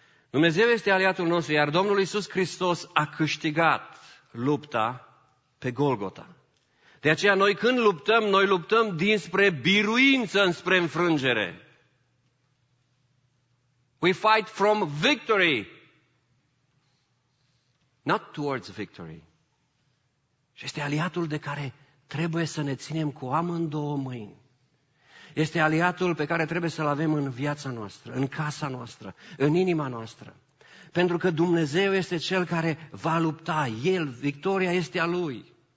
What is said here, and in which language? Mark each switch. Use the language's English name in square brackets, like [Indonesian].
[Romanian] Dumnezeu este aliatul nostru, iar Domnul Iisus Hristos a câștigat lupta pe Golgota. De aceea noi când luptăm, noi luptăm dinspre biruință, înspre înfrângere. [English] We fight from victory, not towards victory. [Romanian] Și este aliatul de care trebuie să ne ținem cu amândouă mâini. Este aliatul pe care trebuie să-l avem în viața noastră, în casa noastră, în inima noastră. Pentru că Dumnezeu este Cel care va lupta. El, victoria este a Lui.